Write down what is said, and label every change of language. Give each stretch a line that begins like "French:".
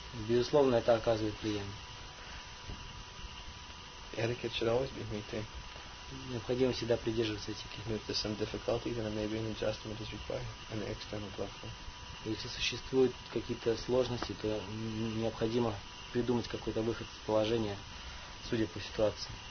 Russian: Безусловно, это оказывает влияние.
English: Etiquette should always be maintained.
Russian: Необходимо всегда придерживаться этики.
English: If there's some difficulty, then maybe an adjustment is required on the external platform.
Russian: Если существуют какие-то сложности, то необходимо придумать какой-то выход из положения, судя по ситуации.